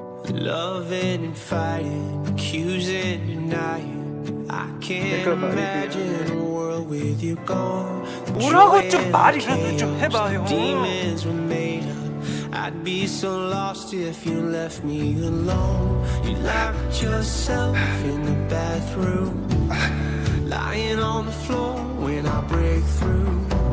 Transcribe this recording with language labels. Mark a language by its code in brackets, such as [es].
[en] Loving and fighting, accusing and denying. I can't imagine a world with you gone. [ko] 뭐라고 좀 말이라도 좀 해봐요. [en] Demons were made up. I'd be so lost if you left me alone. You locked yourself in the bathroom, lying on the floor when I break through.